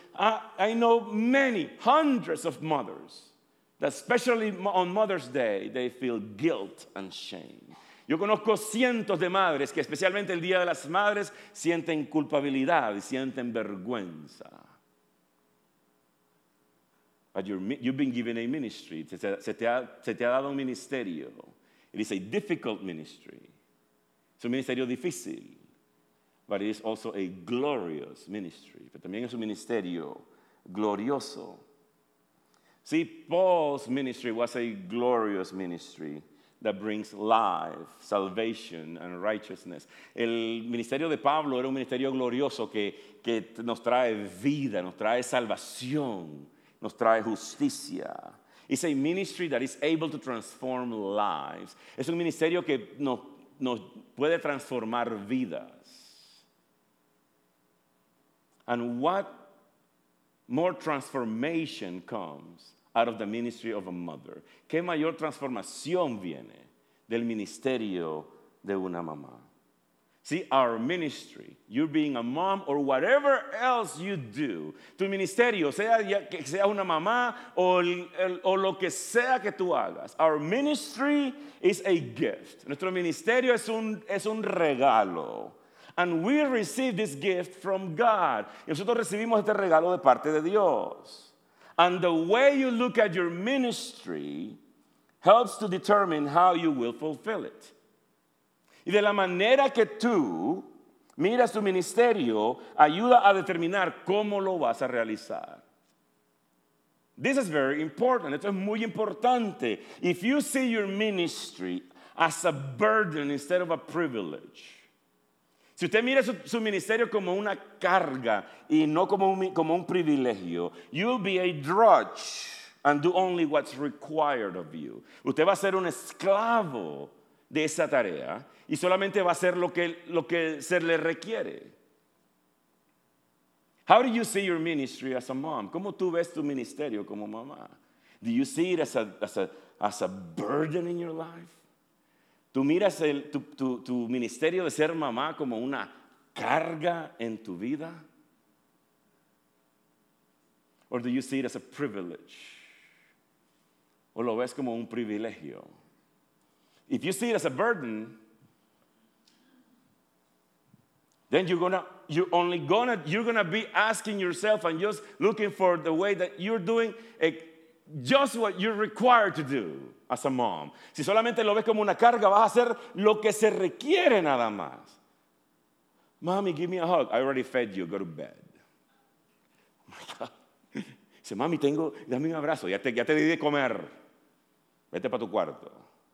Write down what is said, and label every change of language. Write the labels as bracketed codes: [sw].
[en] I know many, hundreds of mothers that especially on Mother's Day, they feel guilt and shame. [es] Yo conozco cientos de madres que especialmente el Día de las Madres sienten culpabilidad y sienten vergüenza. [en] But you've been given a ministry. [es] Se te ha dado un ministerio. [en] It is a difficult ministry. [es] Es un ministerio difícil. [en] But it is also a glorious ministry. [es] Pero también es un ministerio glorioso. [en] See, Paul's ministry was a glorious ministry that brings life, salvation, and righteousness. [es] El ministerio de Pablo era un ministerio glorioso que nos trae vida, nos trae salvación, nos trae justicia. [en] It's a ministry that is able to transform lives. [es] Es un ministerio que nos puede transformar vidas. [en] And what more transformation comes out of the ministry of a mother? [es] ¿Qué mayor transformación viene del ministerio de una mamá? [en] See, our ministry, you being a mom or whatever else you do, [es] tu ministerio, sea que sea una mamá o lo que sea que tú hagas, [en] our ministry is a gift. [es] Nuestro ministerio es un regalo. [en] And we receive this gift from God. [es] Y nosotros recibimos este regalo de parte de Dios. [en] And the way you look at your ministry helps to determine how you will fulfill it. [es] Y de la manera que tú miras tu ministerio, ayuda a determinar cómo lo vas a realizar. [en] This is very important. [es] Esto es muy importante. [en] If you see your ministry as a burden instead of a privilege, [es] si usted mira su ministerio como una carga y no como un privilegio, [en] you'll be a drudge and do only what's required of you. [es] Usted va a ser un esclavo de esa tarea y solamente va a hacer lo que se le requiere. [en] How do you see your ministry as a mom? [es] ¿Cómo tú ves tu ministerio como mamá? [en] Do you see it as a burden in your life? [es] ¿Tú miras tu ministerio de ser mamá como una carga en tu vida? [en] Or do you see it as a privilege? [es] ¿O lo ves como un privilegio? [en] If you see it as a burden, then you're gonna be asking yourself and just looking for the way that you're doing just what you're required to do as a mom. [es] Si solamente lo ves como una carga, vas a hacer lo que se requiere nada más. [en] Mommy, give me a hug. I already fed you. Go to bed. Oh my God. [es] Dice, mami, dame un abrazo. Ya te di de comer. Vete para tu cuarto.